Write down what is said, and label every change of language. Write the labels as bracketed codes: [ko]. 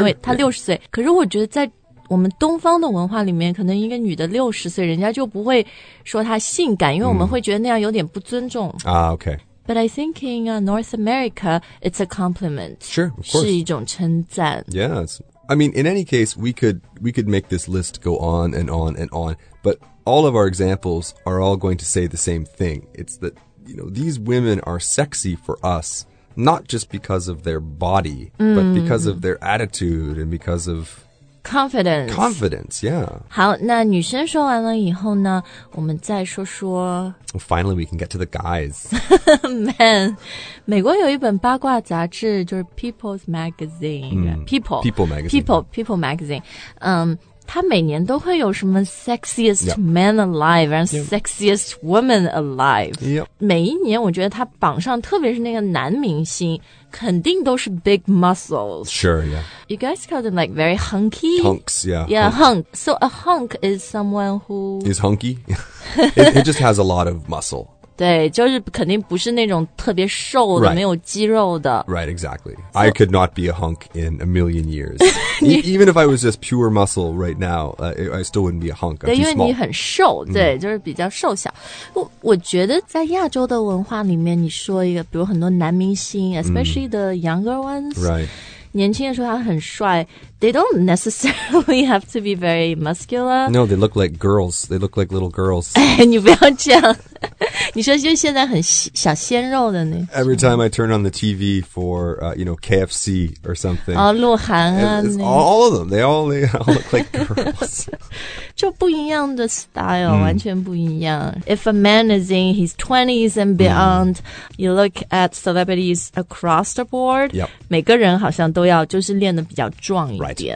[zh] 因为她60岁、可是我觉得在我们东方的文化里面可能一个女的六十岁人家就不会说她性感因为我们会觉得那样有点不尊重。 [en] Okay. But I think in North America, it's a compliment. Sure, of course. [zh] 是一种称赞。 [en] Yes. I mean, in any case, we could make this list go on and on and on. But all of our examples are all going to say the same thing. It's that, you know, these women are sexy for us, not just because of their body,、but because of their attitude and because ofConfidence, yeah. [zh] 好那女生说完了以后呢我们再说说。 [en] Well, finally, we can get to the guys. [zh] Man, 美国有一本八卦杂志就是 People's Magazine.、 [en] People Magazine. [zh] People Magazine. 它每年都会有什么 Sexiest、Man Alive and、Sexiest Woman Alive.、每一年我觉得它榜上特别是那个男明星肯定都是 [en] big muscles. Sure, yeah. You guys call them like very hunky? Hunks, yeah. Yeah, hunk. So a hunk is someone who... Is hunky? it just has a lot of muscle. [zh] 对就是肯定不是那种特别瘦的、没有肌肉的。 [en] Right, exactly. So, I could not be a hunk in a million years. even if I was just pure muscle right now,、I still wouldn't be a hunk. I'm too small. [zh] 因为你很瘦、对就是比较瘦小。我觉得在亚洲的文化里面你说一个比如很多男明星 [en] especially、the younger ones. Right. [zh] 年轻的时候他很帅 [en] They don't necessarily have to be very muscular. No, they look like girls. They look like little girls. [zh] 哎，你不要这样。你说就现在很小鲜肉的那。 [en] Every time I turn on the TV for, you know, KFC or something. [zh] 哦，鹿晗啊。 [en] All of them. They all look like girls. [zh] 就不一样的 style,、完全不一样。 [en] If a man is in his 20s and beyond,、you look at celebrities across the board,、 [zh] 每个人好像都要就是练得比较壮一点。